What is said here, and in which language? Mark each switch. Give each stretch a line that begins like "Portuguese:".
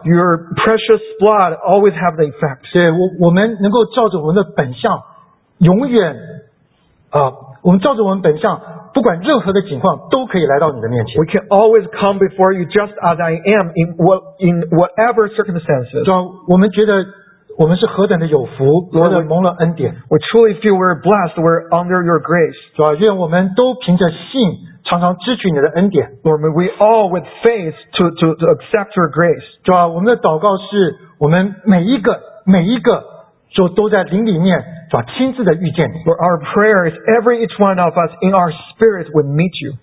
English: Your precious blood always have the effect.
Chinese: 对，我们能够照着我们的本相，永远，我们照着我们本相，不管任何的情况，都可以来到你的面前。
English: We can always come before you just as I am in whatever circumstances.
Chinese: 主，我们觉得我们是何等的有福，何等蒙了恩典。
English: We truly feel we're blessed. We're under your grace.
Chinese: 主，愿我们都凭着信。常常支取你的恩典
English: Lord, may we all with faith to accept your grace.
Chinese: 主啊，我们的祷告是我们每一个就都在灵里面主啊亲自的遇见你
English: Lord, our prayer is every each one of us in our spirit will meet you.